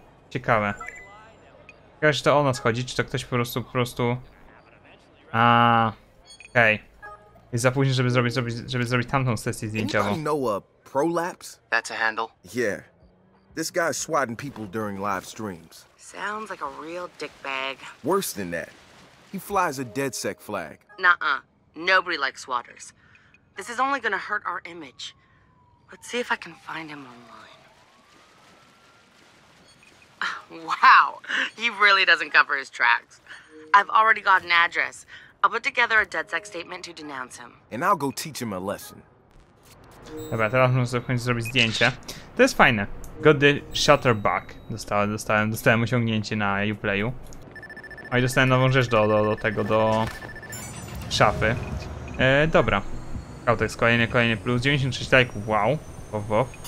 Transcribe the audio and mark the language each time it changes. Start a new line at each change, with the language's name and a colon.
Polish: Ciekawe. Ciekawe, czy to o nas chodzi, czy to ktoś po prostu... Okej. Okay. Jest za późno, żeby zrobić tamtą sesję zdjęciową.
English: Prolapse? That's a handle? Yeah. This guy's swatting people during live streams. Sounds like a real dickbag. Worse than that. He flies a DedSec flag. Nuh-uh. Nobody likes swatters. This is only gonna hurt our image. Let's see if I can find him online. Wow. He really doesn't cover his tracks. I've already got an address. I'll put together a DedSec statement to denounce him. And I'll go teach him a lesson.
Polish: Dobra, teraz muszę sobie w końcu zrobić zdjęcie. To jest fajne.
English: Got the shutter bug.
Polish: Dostałem osiągnięcie na Uplayu. O, i dostałem nową rzecz do szafy. Dobra. Autek jest kolejny plus. 96 lajków, wow. Wow.